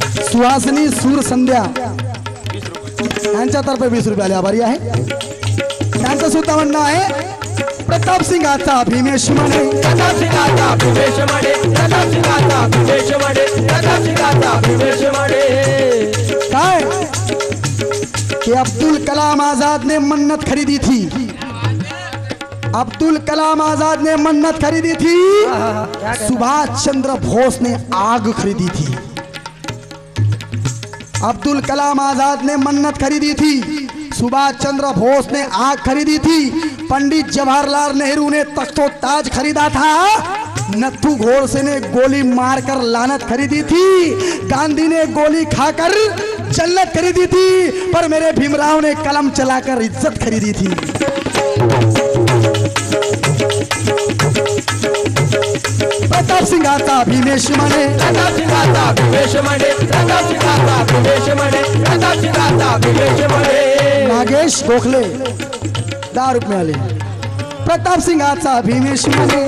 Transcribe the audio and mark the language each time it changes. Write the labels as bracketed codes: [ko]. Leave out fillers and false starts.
[mr] सुहासिनी सूर संध्या यांच्यातर्फे 20 रुपयाला आभारी आहे. त्यांचं सुद्धा म्हणणं आहे, प्रताप सिंगाचा भीमेश म्हणे, प्रताप सिंगाचा भीमेश म्हणे, प्रताप सिंगाचा भीमेश म्हणे, प्रताप सिंगाचा भीमेश म्हणे. [hi] काय की अब्दुल कलाम आझाद ने मन्नत खरीदी थी, अब्दुल कलाम आजाद ने मन्नत खरीदी थी, सुभाष चंद्र बोस ने आग खरीदी थी. अब्दुल कलाम आजाद ने मन्नत खरीदी थी, सुभाष चंद्र बोस ने आग खरीदी थी, पंडित जवाहरलाल नेहरू ने तख्तो ताज खरीदा था, नत्थू घोड़से ने गोली मारकर लानत खरीदी थी, गांधी ने गोली खाकर जन्नत खरीदी थी, पर मेरे भीमराव ने कलम चलाकर इज्जत खरीदी थी. [mr] प्रताप सिंगाचा भीमेश म्हणे, प्रताप सिंगाचा भीमेश म्हणे, प्रताप सिंगाचा भीमेश म्हणे, प्रताप सिंगाचा भीमेश म्हणे. नागेश गोखले 10 रुपये मिळाले. प्रताप सिंगाचा भीमेश म्हणे,